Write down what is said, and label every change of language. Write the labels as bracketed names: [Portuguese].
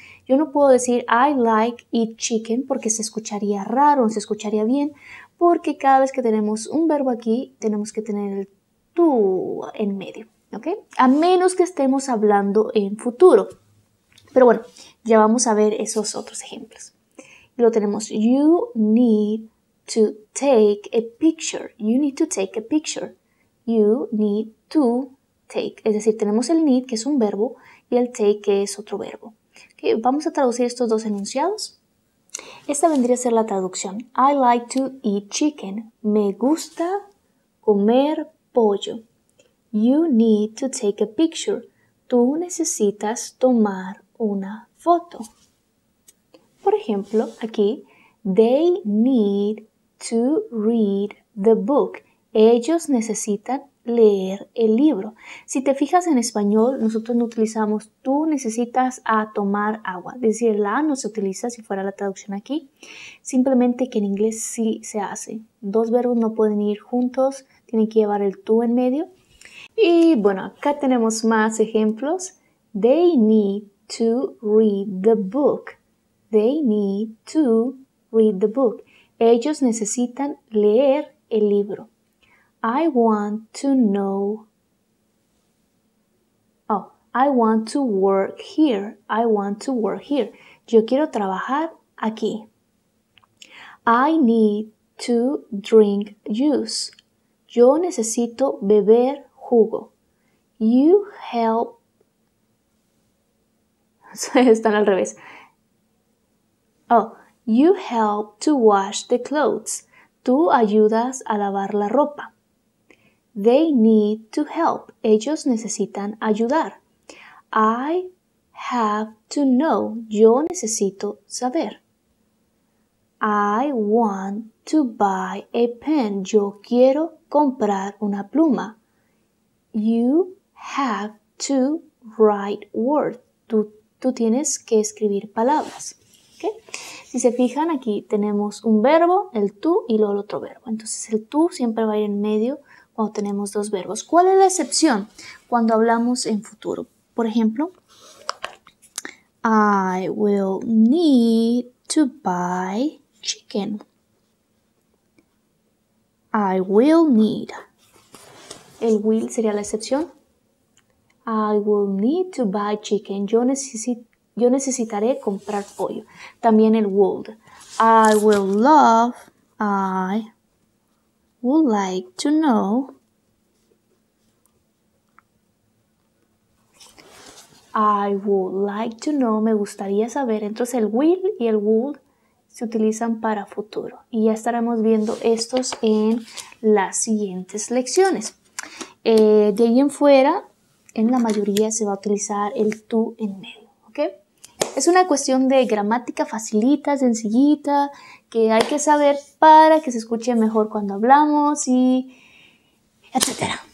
[Spanish] Yo no puedo decir [English] I like eat chicken [Spanish] porque se escucharía raro, no se escucharía bien, porque cada vez que tenemos un verbo aquí, tenemos que tener el tú en medio, ¿ok? A menos que estemos hablando en futuro. Pero bueno, ya vamos a ver esos otros ejemplos. Lo tenemos, [English] you need to take a picture. You need to take a picture. You need to take. [Spanish] Es decir, tenemos el need, que es un verbo, y el take, que es otro verbo. Okay, vamos a traducir estos dos enunciados. Esta vendría a ser la traducción. [English] I like to eat chicken. [Spanish] Me gusta comer pollo. [English] You need to take a picture. [Spanish] Tú necesitas tomar una foto. Por ejemplo, aquí, [English] they need to read the book. [Spanish] Ellos necesitan leer el libro. Si te fijas en español, nosotros no utilizamos tú necesitas a tomar agua. Es decir, la no se utiliza si fuera la traducción aquí. Simplemente que en inglés sí se hace. Dos verbos no pueden ir juntos. Tienen que llevar el tú en medio. Y bueno, acá tenemos más ejemplos. [English] They need to read the book. They need to read the book. [Spanish] Ellos necesitan leer el libro. [English] I want to know. Oh, I want to work here. I want to work here. [Spanish] Yo quiero trabajar aquí. [English] I need to drink juice. [Spanish] Yo necesito beber jugo. [English] You help. [Spanish] Están al revés. [English] Oh, you help to wash the clothes. [Spanish] Tú ayudas a lavar la ropa. [English] They need to help. [Spanish] Ellos necesitan ayudar. I have to know. Yo necesito saber. [English] I want to buy a pen. [Spanish] Yo quiero comprar una pluma. [English] You have to write words. [Spanish] Tú tienes que escribir palabras. ¿Okay? Si se fijan, aquí tenemos un verbo, el tú, y luego el otro verbo. Entonces el tú siempre va a ir en medio cuando tenemos dos verbos. ¿Cuál es la excepción cuando hablamos en futuro? Por ejemplo, [English] I will need to buy chicken. [Spanish] I will need. El will sería la excepción. [English] I will need to buy chicken. [Spanish] Yo necesitaré comprar pollo. También el [English] would. I will love. I would like to know. I would like to know, [Spanish] me gustaría saber. Entonces el will y el would se utilizan para futuro. Y ya estaremos viendo estos en las siguientes lecciones. De ahí en fuera, en la mayoría se va a utilizar el tú en medio. ¿Okay? Es una cuestión de gramática facilita, sencillita, que hay que saber para que se escuche mejor cuando hablamos y etcétera.